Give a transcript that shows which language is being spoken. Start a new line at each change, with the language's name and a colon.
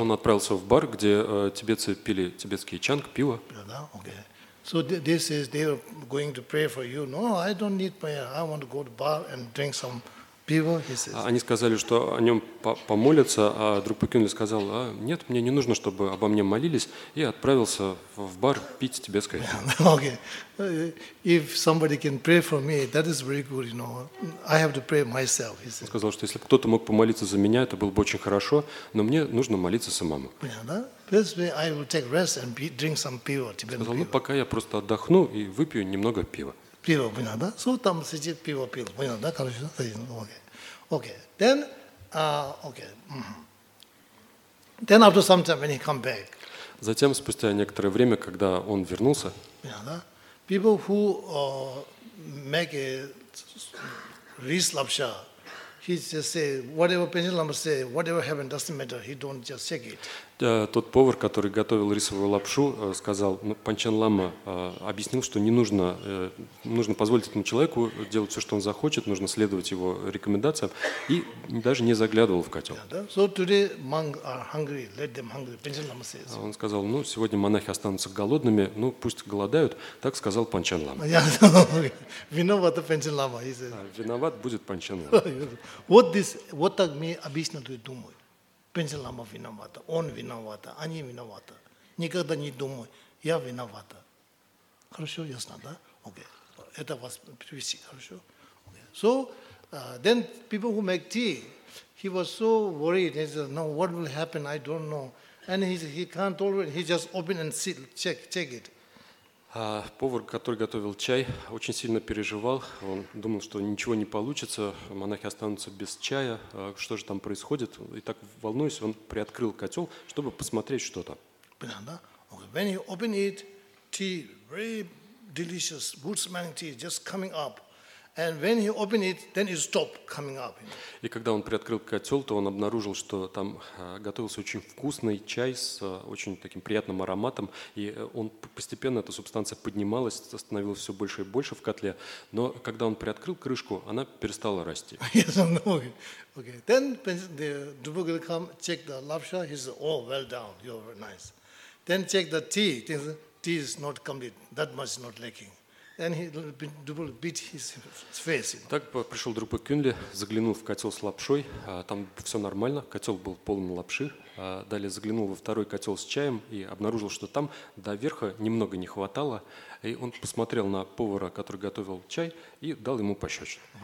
Russian: Он отправился в бар, где тибетцы пили тибетский чанг, пиво. Понятно? Окей.
English: So they says they are going to pray for you. No, I don't need prayer. I want to go to bar and drink some pivo. He says.
Russian: Они сказали, что о нем помолятся, а друг Пекюнли сказал: а, нет, мне не нужно, чтобы обо мне молились, и отправился в бар пить тибетское.
English: Okay, if somebody can pray for me, that is very good. You know, I have to pray myself. He says.
Russian: Он сказал, что если кто-то мог помолиться за меня, это было бы очень хорошо, но мне нужно молиться самому.
English: This way I will take rest and drink some pivo, Tibetan pivo.
Russian: Ну, пока я просто отдохну и выпью немного пива. Пиво, понятно, да?
English: So,
Russian: там сидит, пиво пил. Понятно, да? Короче,
English: okay. Okay. Then, okay. Then after some time, when he come back.
Russian: Затем, спустя некоторое время, когда он вернулся. Понятно, да?
English: People who make rice лапша. He just say whatever Panchen Lama say, whatever happened doesn't matter. He don't just shake it.
Russian: Тот повар, который готовил рисовую лапшу, сказал, Панчен Лама объяснил, что не нужно, нужно позволить этому человеку делать все, что он захочет, нужно следовать его рекомендациям, и даже не заглядывал в котел.
English: So today monks are hungry. Let them hungry. Panchen Lama says.
Russian: Он сказал, ну сегодня монахи останутся голодными, ну пусть голодают. Так сказал Панчен Лама. Виноват Панчен Лама,
English: he says.
Russian: Виноват будет Панчен Лама. Вот
English: this,
Russian: вот так мне объяснят и думают. Панчен Лама виновата, он виновата, они виновата. Никогда не думай, я виновата. Хорошо, ясно, да? Окей.
English: Okay.
Russian: Это вас привести, хорошо?
English: Okay. So, then people who make tea, he was so worried. He said, now what will happen, I don't know. And he can't tolerate, he just open and see, check it.
Russian: Повар, который готовил чай, очень сильно переживал. Он думал, что ничего не получится, монахи останутся без чая. Что же там происходит? И так волнуясь, он приоткрыл котел, чтобы посмотреть, что там.
English: Понятно? Okay. When he opened it, tea, very delicious, good smelling tea, just coming up. And when he opened it, then it stopped coming up.
Russian: И когда он приоткрыл котел, то он обнаружил, что там готовился очень вкусный чай с очень таким приятным ароматом. И он постепенно, эта субстанция поднималась, становилась все больше и больше в котле. Но когда он приоткрыл крышку, она перестала расти.
English: Yes, okay. Okay. Then the Dubugil come, check the lapsha, he says, oh, well done, you're nice. Then check the tea, tea is not complete, that much is not lacking.
Russian: Так пришел Друпа Кюнли, заглянул в котел с лапшой, там все нормально, котел был полон лапши. Далее заглянул во второй котел с чаем и обнаружил, что там до верха немного не хватало. И он посмотрел на повара, который готовил чай, и дал ему пощечину.